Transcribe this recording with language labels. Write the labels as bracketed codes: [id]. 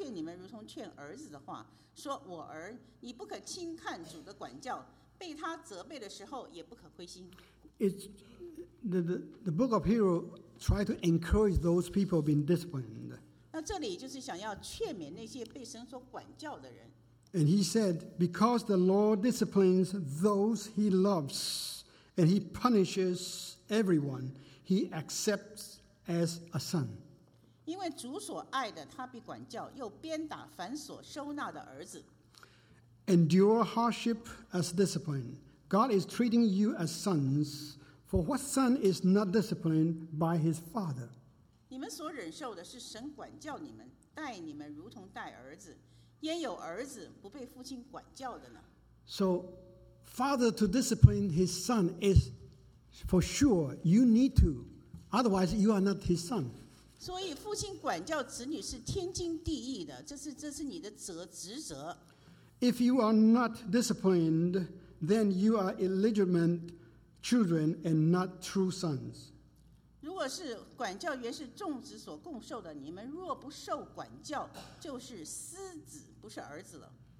[zh] 希伯来书12:5，你们又忘了那劝你们如同劝儿子的话。说我儿，你不可轻看主的管教，被他责备的时候也不可灰心。 [en] The book of Hebrews try to encourage those people being disciplined. [zh] 那这里就是想要劝勉那些被神所管教的人。 [en] And he said, because the Lord disciplines those he loves, and he punishes everyone he accepts as a son. [zh] 因为主所爱的，他必管教，又鞭打凡所收纳的儿子。 [en] Endure hardship as discipline. God is treating you as sons. For what son is not disciplined by his father? [zh] 你们所忍受的是神管教你们，待你们如同待儿子，焉有儿子不被父亲管教的呢？ [en] So father to discipline his son is for sure you need to, otherwise you are not his son. [zh] 所以父亲管教子女是天经地义的，这是你的职责。 [en] If you are not disciplined, then you are illegitimate children and not true sons. [zh] 如果是管教原是众子所共受的，你们若不受管教，就是私子，不是儿子了。